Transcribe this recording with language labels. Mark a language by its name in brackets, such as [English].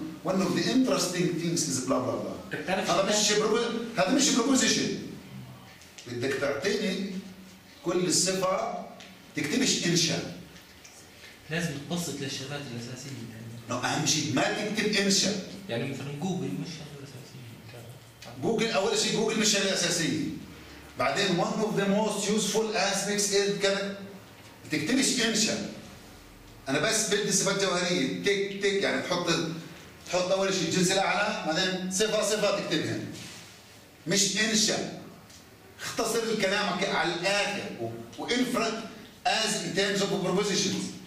[English] one of the interesting things is blah blah blah. [Arabic] هذا مش بروبل هذا مش بروبوزيشن. بدك تعطيني كل الصفة تكتبش إنشاء. لازم تبسط للشغلات الأساسية يعني. No, أهم شيء ما تكتب إنشاء. يعني مثلاً جوجل مش شغلة أساسية. جوجل أول شيء جوجل مش شغلة أساسية. [English] بعدين one of the most useful aspects is كذا. [Arabic] تكتبش إنشاء. أنا بس بدي صفات جوهرية تك تك يعني تحط أول شيء الجنس الأعلى بعدين صفة صفة تكتبها. مش إنشاء. اختصر الكلام على الآخر وانفرد [English] as in terms of propositions.